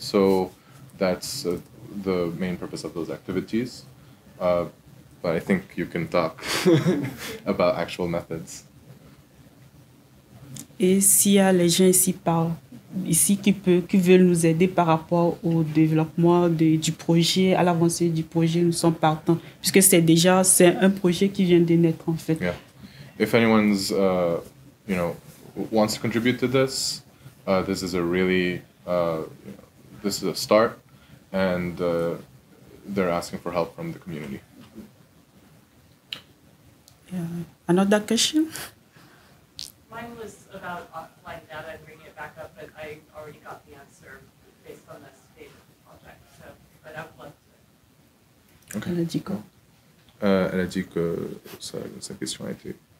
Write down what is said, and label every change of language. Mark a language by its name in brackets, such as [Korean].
[English] So that's the main purpose of those activities. But I think you can talk about actual methods. [French] Et s'il y a les gens ici qui veulent nous aider par rapport au développement du projet, à l'avancée du projet, nous sommes partants. Puisque c'est un projet qui vient de naître, en fait. [English] Yeah. If anyone's, wants to contribute to this, this is a really, this is a start, and they're asking for help from the community. Another question? Mine was about offline data, bringing it back up, but I already got the answer based on this stage of the project, so, but I've left it. Okay. [French] Elle a dit que sa question a été